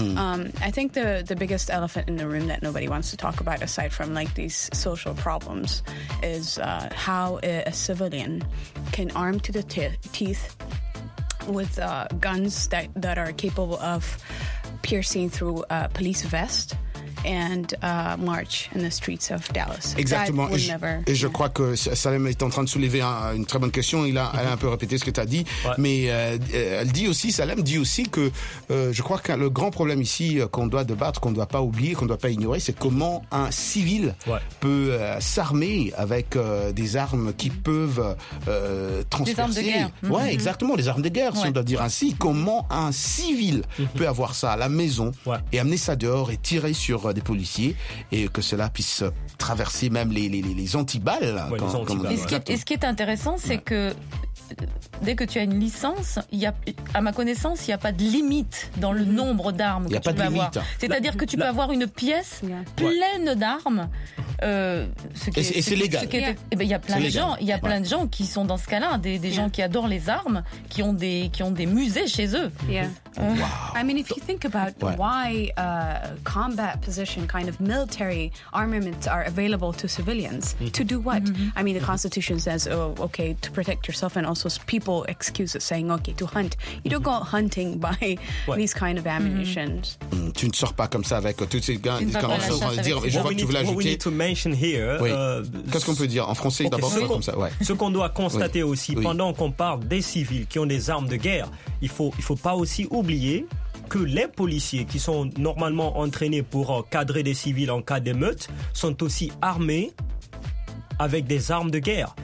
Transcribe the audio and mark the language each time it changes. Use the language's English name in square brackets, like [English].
[English] I think the biggest elephant in the room that nobody wants to talk about, aside from like these social problems, is how a civilian can arm to the teeth with guns that are capable of piercing through a police vest and march in the streets of Dallas. [French] Exactement. Je crois que Salem est en train de soulever une très bonne question. Elle a un peu répété ce que tu as dit. Ouais. Mais Salem dit aussi que je crois que le grand problème ici qu'on doit débattre, qu'on ne doit pas oublier, qu'on ne doit pas ignorer, c'est comment un civil peut s'armer avec des armes qui peuvent transpercer. Des armes de guerre. Ouais, exactement, des armes de guerre, si on doit dire ainsi. Comment un civil peut avoir ça à la maison et amener ça dehors et tirer sur des policiers et que cela puisse traverser même les antiballes. Et ce qui est intéressant, c'est que dès que tu as une licence, à ma connaissance, il n'y a pas de limite dans le nombre d'armes que tu peux avoir. C'est-à-dire que tu peux avoir une pièce pleine d'armes Et c'est légal. Il y a plein de gens qui sont dans ce cas-là, des gens qui adorent les armes, qui ont des musées chez eux. [English] Yeah. Wow. I mean, if you think about why combat position kind of military armaments are available to civilians, to do what? Mm-hmm. I mean, the Constitution says, oh, okay, to protect yourself, and also people excuse it saying, okay, to hunt. You don't go hunting by these kind of ammunition. Mm-hmm. [French] Mm, tu ne sors pas comme ça avec toutes ces gars. Qu'est-ce qu'on peut dire en français d'abord Ce qu'on doit constater aussi pendant qu'on parle des civils qui ont des armes de guerre, il faut pas aussi oublier que les policiers qui sont normalement entraînés pour cadrer des civils en cas d'émeute sont aussi armés avec des armes de guerre.